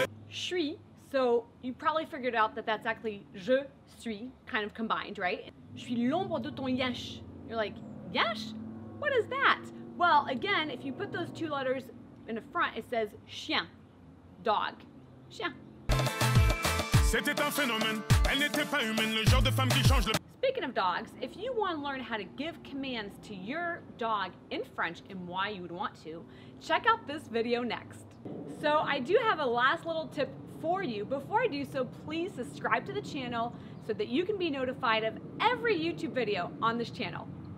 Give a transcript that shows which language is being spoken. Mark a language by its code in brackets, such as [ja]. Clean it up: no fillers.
[en] Shui. So you probably figured out that that's actually je suis, kind of combined, right? [fr] Je suis l'ombre de ton yesh. [en] You're like, yesh? What is that? Well, again, if you put those two letters in the front, it says chien, dog, chien. [fr] C'était un phénomène. Elle n'était pas humaine. Le genre de femme qui change le... [en] Speaking of dogs, if you want to learn how to give commands to your dog in French and why you would want to, check out this video next. So I do have a last little tip for you. Before I do so, please subscribe to the channel so that you can be notified of every YouTube video on this channel.